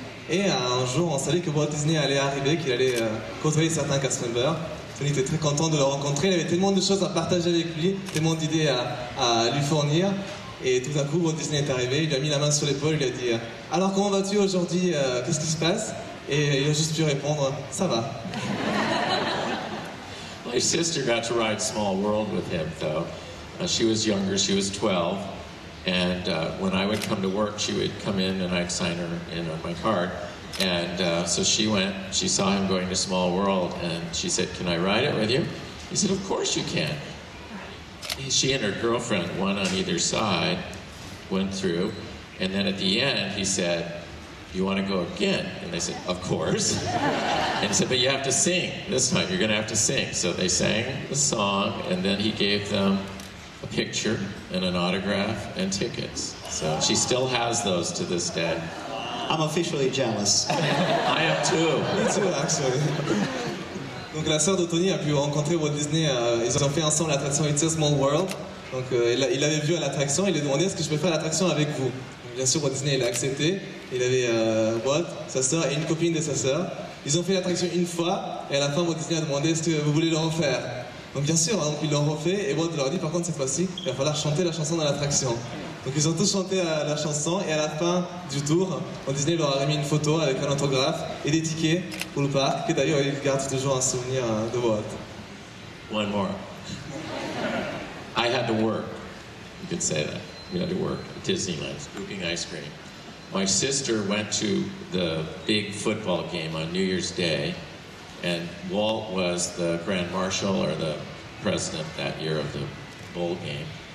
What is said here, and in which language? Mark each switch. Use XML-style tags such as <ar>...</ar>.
<fr>Et un jour, on savait que Walt Disney allait arriver, qu'il allait côtoyer certains cast members. Tony était très content de le rencontrer, il avait tellement de choses à partager avec lui, tellement d'idées à lui fournir. Et tout à coup, Walt Disney est arrivé, il lui a mis la main sur l'épaule, il lui a dit « Alors comment vas-tu aujourd'hui? Qu'est-ce qui se passe ?» Et il a juste pu répondre, ça va.</fr> <en>My sister got to ride Small World with him, though. She was younger, she was 12. And when I would come to work, she would come in and I'd sign her in on my card. And so she went, she saw him going to Small World, and she said, can I ride it with you? He said, of course you can. She and her girlfriend, one on either side, went through. And then at the end, he said, you want to go again? And they said, of course. And he said, but you have to sing this time. You're going to have to sing. So they sang the song, and then he gave them a picture and an autograph and tickets. So she still has those to this day. I'm officially jealous. I am too. Me too, actually.</en> <fr>Donc la sœur de Tony a pu rencontrer Walt Disney. Ils ont fait ensemble l'attraction It's a Small World. Donc il l'avait vu à l'attraction. Il lui a demandé, est-ce que je peux faire l'attraction avec vous? Bien sûr, Walt Disney l'a accepté. Il avait Walt, sa sœur et une copine de sa sœur. Ils ont fait l'attraction une fois, et à la fin, Walt Disney a demandé est-ce que vous voulez le refaire. Donc bien sûr, donc ils l'ont refait, et Walt leur a dit par contre cette fois-ci, il va falloir chanter la chanson dans l'attraction. Donc ils ont tous chanté la chanson, et à la fin du tour, Walt Disney leur a remis une photo avec un autographe et des tickets pour le parc, que d'ailleurs ils gardent toujours un souvenir de Walt.</fr> <en>One more. I had to work. You could say that. We had to work at Disneyland, scooping ice cream. my sister went to the big football game on New Year's Day, and Walt was the grand marshal or the president that year of the bowl game.</en>